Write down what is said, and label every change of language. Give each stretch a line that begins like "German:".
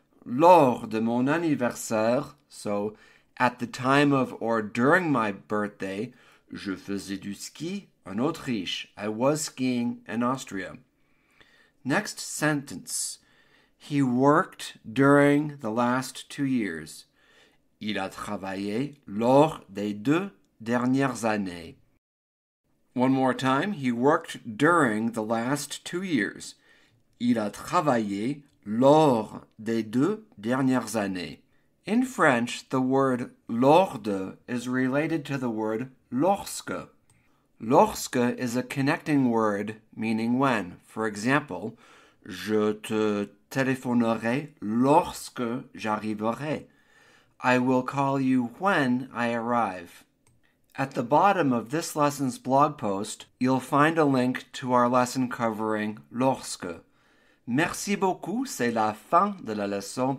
French: Lors de mon anniversaire,
English: so at the time of or during my birthday,
French: je faisais du ski en Autriche.
English: I was skiing in Austria. Next sentence. He worked during the last 2 years.
French: Il a travaillé lors des deux dernières années.
English: One more time, he worked during the last 2 years.
French: Il a travaillé lors des deux dernières années.
English: In French, the word lors de is related to the word lorsque. Lorsque is a connecting word meaning when. For example,
French: je te téléphonerai lorsque j'arriverai.
English: I will call you when I arrive. At the bottom of this lesson's blog post, you'll find a link to our lesson covering lorsque.
French: Merci beaucoup, c'est la fin de la leçon.